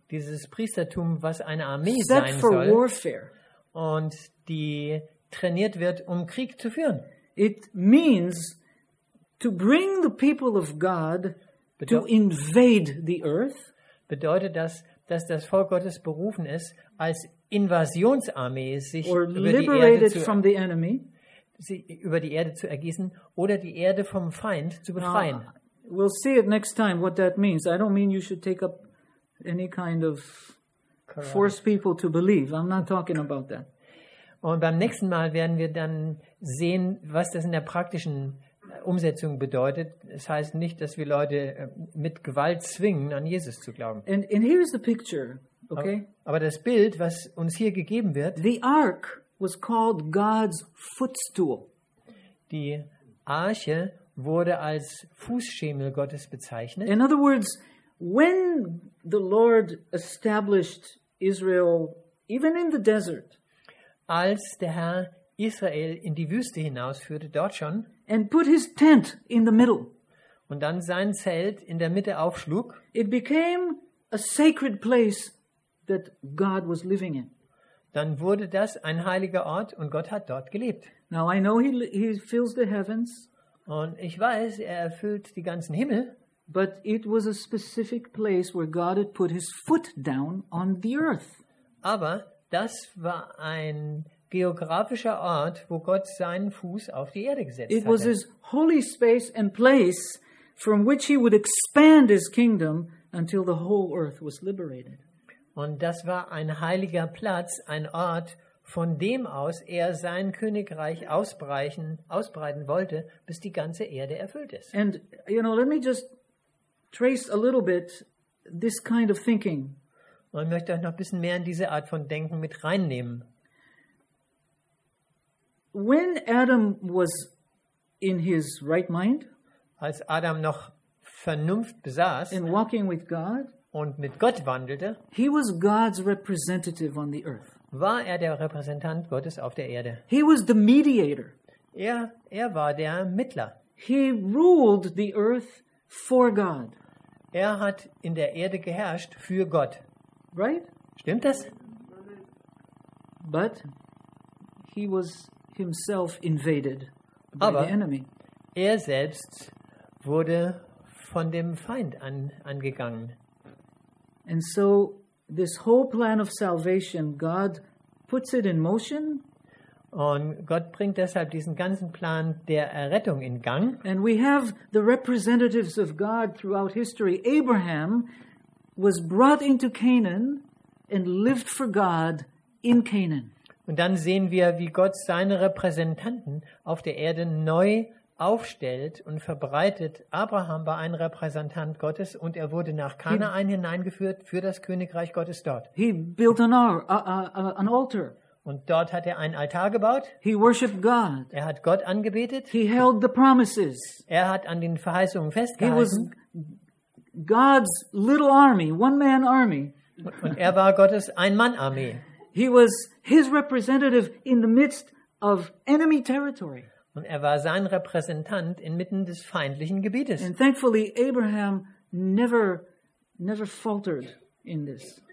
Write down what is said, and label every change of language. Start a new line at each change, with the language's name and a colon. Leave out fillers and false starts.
German: dieses Priestertum, was eine Armee
English: set
German: sein
English: for
German: soll,
English: warfare,
German: und die trainiert wird, um Krieg zu führen.
English: It means to bring the people of God to invade the earth.
German: Bedeutet das, dass das Volk Gottes berufen ist, als Invasionsarmee sich
English: or liberated from the enemy,
German: sie über die Erde zu ergießen oder die Erde vom Feind zu befreien.
English: We'll see it next time what that means. I don't mean you should take up any kind of Quran. Force people to believe. I'm not talking about that.
German: Und beim nächsten Mal werden wir dann sehen, was das in der praktischen Umsetzung bedeutet. Das heißt nicht, dass wir Leute mit Gewalt zwingen, an Jesus zu glauben.
English: And here is the picture, okay?
German: Aber das Bild, was uns hier gegeben wird,
English: the ark was called God's footstool.
German: Die Arche wurde als Fußschemel Gottes bezeichnet.
English: In other words, when the Lord established Israel, even in the desert,
German: als der Herr Israel in die Wüste hinausführte, dort schon,
English: and put his tent in the middle,
German: und dann sein Zelt in der Mitte aufschlug,
English: it became a sacred place that God was living in.
German: Dann wurde das ein heiliger Ort und Gott hat dort gelebt.
English: Now I know he fills the heavens.
German: Und ich weiß, er erfüllt die ganzen Himmel.
English: But it was a specific place where God had put his foot down on the earth.
German: Aber das war ein geografischer Ort, wo Gott seinen Fuß auf die Erde gesetzt hatte.
English: It was his holy space and place from which he would expand his kingdom until the whole earth was liberated.
German: Und das war ein heiliger Platz, ein Ort, von dem aus er sein Königreich ausbreiten wollte, bis die ganze Erde erfüllt ist.
English: And you know, let me just trace a little bit this kind of thinking.
German: Und ich möchte euch noch ein bisschen mehr in diese Art von Denken mit reinnehmen.
English: When Adam was in his right mind,
German: als Adam noch Vernunft besaß,
English: in walking with God,
German: und mit Gott wandelte,
English: he was God's representative on the earth.
German: War er der Repräsentant Gottes auf der Erde.
English: He was the mediator.
German: Er war der Mittler.
English: He ruled the earth for God.
German: Er hat in der Erde geherrscht für Gott.
English: Right?
German: Stimmt das?
English: But he was himself invaded by
German: Aber
English: the enemy.
German: Er selbst wurde von dem Feind angegangen.
English: And so this whole plan of salvation, God puts it in motion.
German: Und Gott bringt deshalb diesen ganzen Plan der Errettung in Gang.
English: And we have the representatives of God throughout history. Abraham was brought into Canaan and lived for God in Canaan.
German: Und dann sehen wir, wie Gott seine Repräsentanten auf der Erde neu aufstellt und verbreitet. Abraham war ein Repräsentant Gottes und er wurde nach Kanaan hineingeführt für das Königreich Gottes dort.
English: He built an altar.
German: Und dort hat er einen Altar gebaut.
English: He worshiped God.
German: Er hat Gott angebetet.
English: He held the promises.
German: Er hat an den Verheißungen festgehalten.
English: He was God's little army, one man army.
German: Und er war Gottes Ein-Mann-Armee.
English: He was his representative in the midst of enemy territory.
German: Und er war sein Repräsentant inmitten des feindlichen Gebietes.
English: And thankfully Abraham never faltered in this.